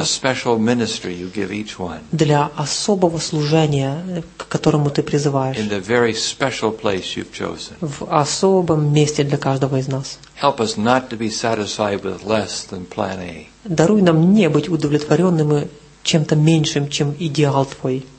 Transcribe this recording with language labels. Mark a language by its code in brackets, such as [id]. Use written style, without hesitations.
[en] For the special ministry you give each one. [ru] Для особого служения, к которому ты призываешь. [en] In the very special place you've chosen. [ru] В особом месте для каждого из нас. [en] Help us not to be satisfied with less than plan A. [ru] Даруй нам не быть удовлетворенными чем-то меньшим, чем идеал твой.